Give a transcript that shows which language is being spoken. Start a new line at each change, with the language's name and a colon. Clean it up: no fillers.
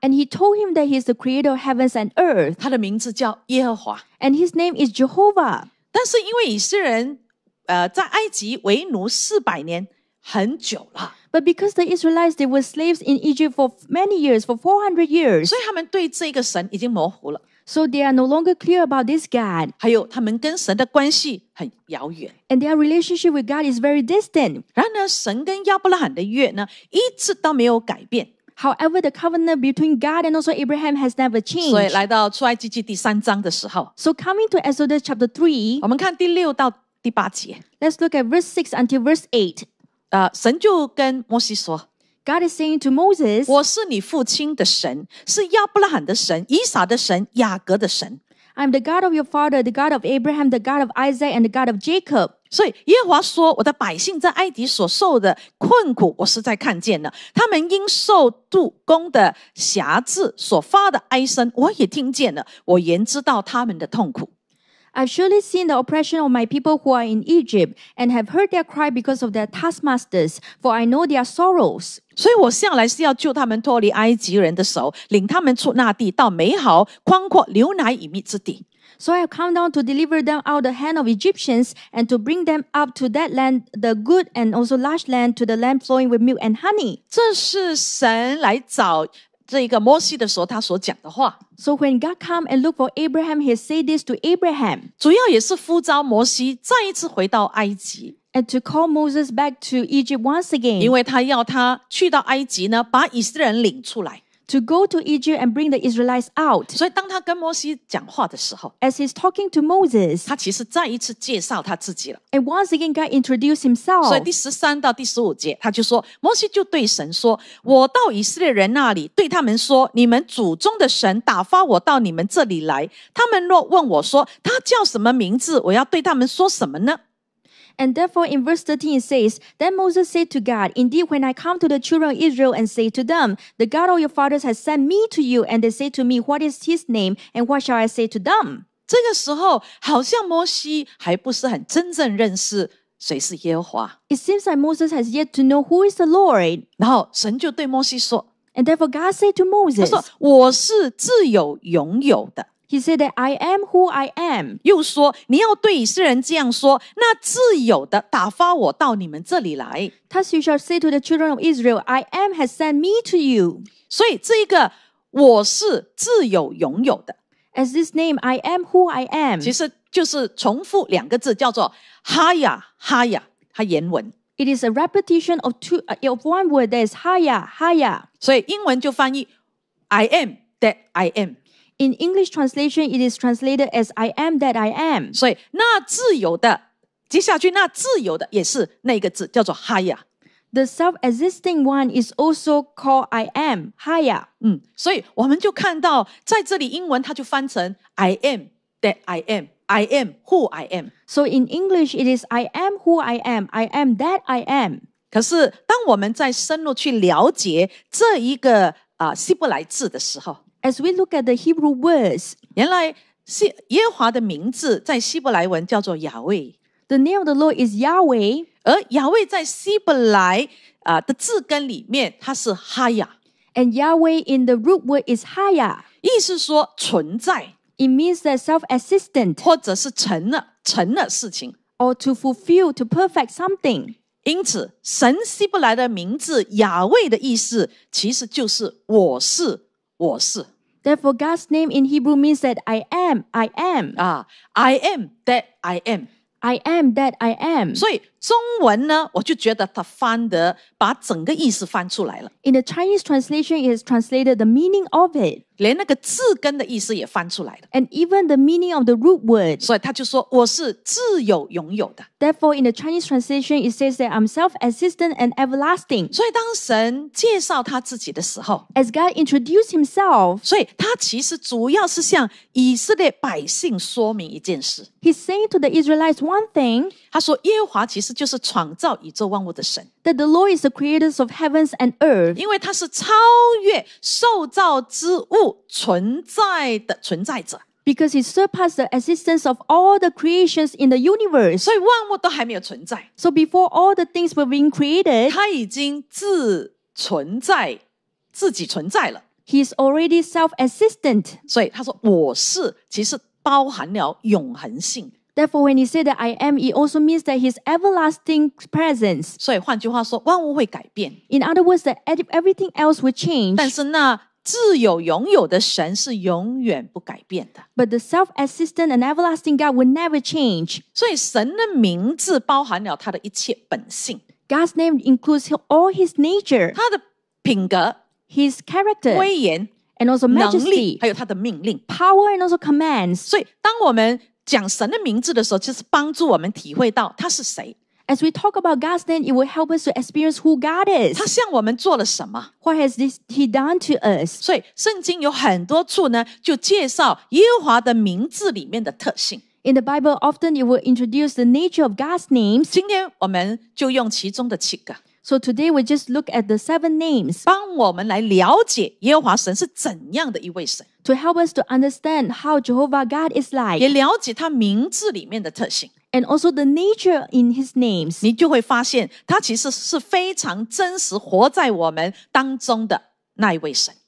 English: And he told him that he is the creator of heavens and earth.
Chinese: 他的名字叫耶和华。
English: And his name is Jehovah.
Chinese: 但是因为以色列人在埃及为奴400年，很久了。
English: But because the Israelites, they were slaves in Egypt for many years, for 400 years.
Chinese: 所以他们对这个神已经模糊了。
English: So they are no longer clear about this God.
Chinese: 还有他们跟神的关系很遥远。
English: And their relationship with God is very distant.
Chinese: 然而神跟亚伯拉罕的约呢，一直都没有改变。
English: However, the covenant between God and also Abraham has never changed.
Chinese: 所以来到出埃及记第三章的时候。
English: So coming to Exodus chapter 3.
Chinese: 我们看第六到第八节。
English: Let's look at verse 6 until verse 8.
Chinese: 神就跟摩西说。
English: God is saying to Moses,
Chinese: 我是你父亲的神，是亚伯拉罕的神，以撒的神，雅各的神。
English: I'm the God of your father, the God of Abraham, the God of Isaac, and the God of Jacob.
Chinese: 所以耶和华说，我的百姓在埃及所受的困苦，我实在看见了。他们因受杜工的辖制所发的哀声，我也听见了。我原知道他们的痛苦。
English: I've surely seen the oppression of my people who are in Egypt and have heard their cry because of their taskmasters, for I know their sorrows.
Chinese: 所以我向来是要救他们脱离埃及人的手，领他们出那地到美好宽阔流奶以蜜之地。
English: So I have come down to deliver them out of the hand of Egyptians and to bring them up to that land, the good and also large land, to the land flowing with milk and honey.
Chinese: 这是神来找这个摩西的时候他所讲的话。
English: So when God come and look for Abraham, he said this to Abraham.
Chinese: 主要也是呼召摩西再一次回到埃及。
English: And to call Moses back to Egypt once again.
Chinese: 因为他要他去到埃及呢，把以色列人领出来。
English: To go to Egypt and bring the Israelites out.
Chinese: 所以当他跟摩西讲话的时候，
English: As he's talking to Moses,
Chinese: 他其实再一次介绍他自己了。
English: And once again God introduced himself.
Chinese: 所以第13到第15节他就说，摩西就对神说，我到以色列人那里对他们说，你们祖宗的神打发我到你们这里来，他们若问我说他叫什么名字，我要对他们说什么呢？
English: And therefore in verse 13 it says, Then Moses said to God, Indeed when I come to the children of Israel and say to them, The God of your fathers has sent me to you, and they say to me, What is his name, and what shall I say to them?
Chinese: 这个时候好像摩西还不是很真正认识谁是耶和华。
English: It seems like Moses has yet to know who is the Lord.
Chinese: 然后神就对摩西说，
English: And therefore God said to Moses,
Chinese: 他说我是自有拥有的。
English: He said that I am who I am.
Chinese: 又说你要对以色列人这样说，那自有的打发我到你们这里来。
English: Thus you shall say to the children of Israel, I am has sent me to you.
Chinese: 所以这个我是自有拥有的。
English: As this name, I am who I am.
Chinese: 其实就是重复两个字叫做哈呀哈呀，它原文。
English: It is a repetition of one word that is 哈呀哈呀。
Chinese: 所以英文就翻译
English: I am that I am. In English translation, it is translated as I am that I am.
Chinese: 所以那自由的，接下去那自由的也是那个字，叫做 Higher.
English: The self-existing one is also called I am, Higher.
Chinese: 所以我们就看到在这里英文它就翻成
English: I am that I am, I am who I am. So in English, it is I am who I am that I am.
Chinese: 可是当我们在深入去了解这一个希伯来字的时候，
English: As we look at the Hebrew words,
Chinese: 原来耶和华的名字在希伯来文叫做 Yahweh.
English: The name of the Lord is Yahweh.
Chinese: 而 Yahweh 在希伯来的字根里面它是 Haya.
English: And Yahweh in the root word is Haya.
Chinese: 意思说存在。
English: It means that self-existent.
Chinese: 或者是成了事情。
English: or to fulfill to perfect something.
Chinese: 因此，神希伯来的名字亚卫的意思其实就是我是，我是。
English: Therefore, God's name in Hebrew means that I am, I am. I am that I am. I am that I am.
Chinese: 所以中文呢，我就觉得它翻得把整个意思翻出来了。
English: In the Chinese translation, it has translated the meaning of it.
Chinese: 连那个字根的意思也翻出来了。
English: And even the meaning of the root word.
Chinese: 所以他就说我是自有拥有的。
English: Therefore, in the Chinese translation, it says that I'm self-existent and everlasting.
Chinese: 所以当神介绍他自己的时候
English: ，As God introduced Himself,
Chinese: 所以他其实主要是向以色列百姓说明一件事。
English: He's saying to the Israelites one thing.
Chinese: 他说耶和华其实其实就是创造宇宙万物的神。
English: That the Lord is the creator of heavens and earth.
Chinese: 因为他是超越受造之物存在的存在者。
English: Because he surpassed the existence of all the creations in the universe.
Chinese: 所以万物都还没有存在。
English: So before all the things were being created,
Chinese: 他已经自存在，自己存在了。
English: He is already self-existent.
Chinese: 所以他说我是，其实包含了永恒性。
English: Therefore, when he said that I am, it also means that his everlasting presence.
Chinese: 所以换句话说，万物会改变。
English: In other words, that everything else will change.
Chinese: 但是那自有拥有的神是永远不改变的。
English: But the self-existent and everlasting God will never change.
Chinese: 所以神的名字包含了他的一切本性。
English: God's name includes all his nature.
Chinese: 他的品格。
English: His character.
Chinese: 威严。
English: And also majesty.
Chinese: 能力。还有他的命令。
English: Power and also commands.
Chinese: 所以当我们讲神的名字的时候，就是帮助我们体会到他是谁。
English: As we talk about God's name, it will help us to experience who God is.
Chinese: 他向我们做了什么
English: ？What has this He done to us?
Chinese: 所以圣经有很多处呢，就介绍耶和华的名字里面的特性。
English: In the Bible, often it will introduce the nature of God's names.
Chinese: 今天我们就用其中的七个。
English: So today we just look at the seven names.
Chinese: 帮我们来了解耶和华神是怎样的一位神。
English: To help us to understand how Jehovah God is like.
Chinese: 也了解他名字里面的特性。
English: And also the nature in his names.
Chinese: 你就会发现他其实是非常真实活在我们当中的那一位神。